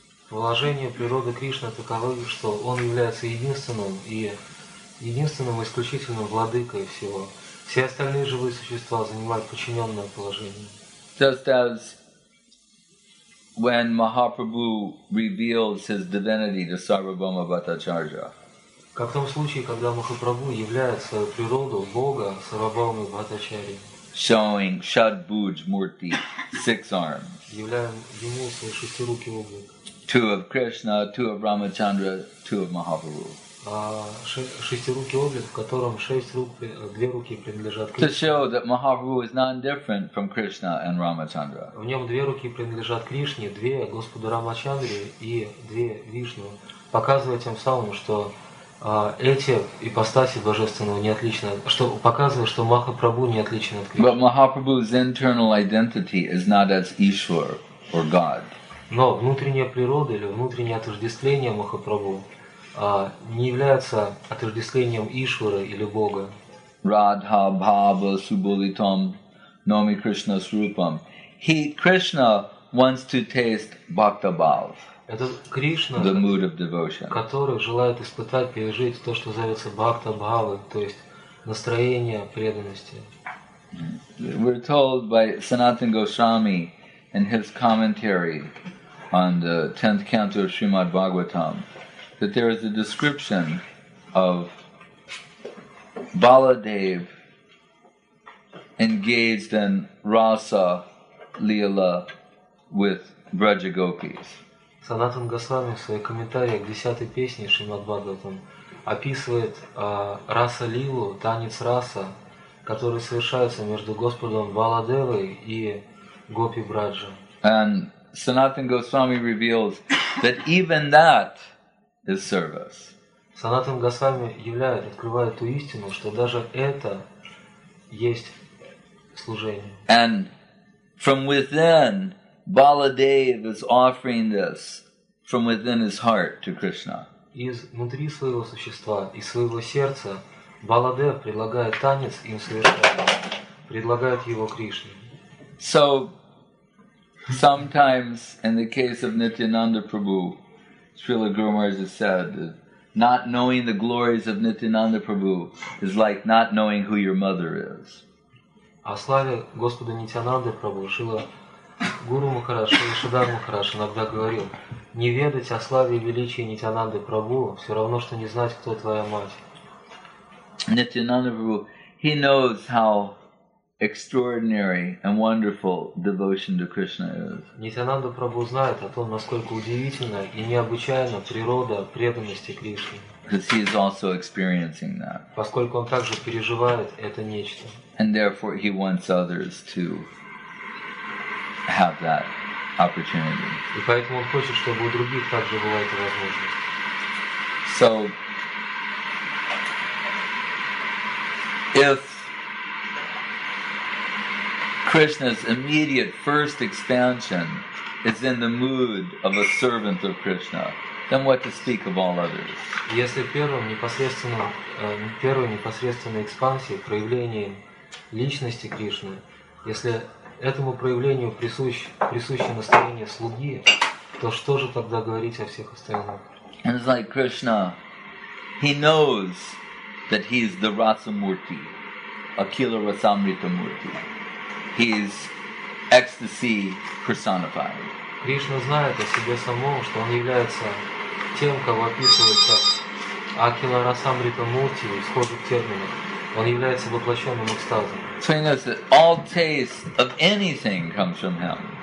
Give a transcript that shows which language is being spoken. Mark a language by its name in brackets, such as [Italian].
[Russian] Положение природы Кришны таково, что он является единственным и исключительным владыкой всего. Все остальные живые существа занимают подчиненное положение. [English] Just as when Mahaprabhu reveals his divinity to Sarvabhauma Bhattacharya. [Russian] Как в том случае, когда Махапрабху являет свою природу Бога Сарвабхаумы Бхаттачарьи. [English] Showing Шадбудж Мурти, six arms. [Russian] Являя ему свои шестирукий облик. [English] Two of Krishna, two of Ramachandra, two of Mahaprabhu. [Russian] Шестирукий облик, в котором шесть рук, две руки принадлежат Кришне. [English] To show that Mahaprabhu is non-different from Krishna and Ramachandra. [Russian] В нем две руки принадлежат Кришне, две Господу Рамачандре и две Вишну, показывая тем самым, что эти ипостаси божественного не отличны, что показывает, что Махапрабху не отличен от Кришны. [English] But Mahaprabhu's internal identity is not as Ishwar or God. [Russian] Но внутренняя природа или внутреннее отождествление Махапрабху не является отождествлением Ишвара или Бога. [Sanskrit] Radha Bhava Subolitam Nomi Krishna Srupam. [English] He Krishna wants to taste Bhakta Bhav. [Russian] Это Кришна, [English] the mood of devotion. [Russian] Который желает испытать, пережить то, что зовется Бхакта Бхава, то есть настроение преданности. [English] We're told by Sanatana Goswami in his commentary on the 10th canto of Srimad Bhagavatam, that there is a description of Baladev engaged in rasa lila with Vraja Gopis. [Russian] Sanatan Goswami в своих комментариях к десятой песне Шримад Бхагаватам описывает раса лилу, танец раса, который совершается между Господом Баладевой и Гопи Браджа. [English] And Sanatan Goswami reveals that even that is service. [Russian] Sanatan Goswami являет, открывает ту истину, что даже это есть служение. [English] And from within, Baladev is offering this from within his heart to Krishna. [Russian] Из внутри своего существа, из своего сердца, Баладев предлагает танец им совершать, предлагает его Кришне. [English] So, sometimes in the case of Nityananda Prabhu, Srila Guru Maharaj has said, not knowing the glories of Nityananda Prabhu is like not knowing who your mother is. [Russian] О славе Господа Нитянанды Прабху Шрила Гуру Махарадж, Шрила Шридхар Махарадж иногда говорил, не ведать о славе и величии Нитянанды Прабху, все равно, что не знать, кто твоя мать. [English] Nityananda Prabhu, he knows how extraordinary and wonderful devotion to Krishna is. [Russian] Nityananda Prabhu знает о том, насколько удивительна и необычайна природа преданности Кришне. [English] Because he is also experiencing that. [Russian] Поскольку он также переживает это нечто. [English] And therefore he wants others to have that opportunity. [Russian] И поэтому он хочет, чтобы у других также была эта возможность. [English] So if Krishna's immediate first expansion is in the mood of a servant of Krishna, then what to speak of all others? [Russian] Если первая непосредственная экспансия, проявление личности Кришны, если этому проявлению присуще настроение слуги, то что же тогда говорить о всех остальных? [English] And it's like Krishna, he knows that he's the Rasamurti, Akila Rasamrita Murti. He's ecstasy personified. [Russian] Кришна знает о себе самом, что он является тем, кого описывают как Акила Расамрита Мурти, исходит терминов. Он является воплощенным экстазом. [English] So he knows that all taste of anything comes from him.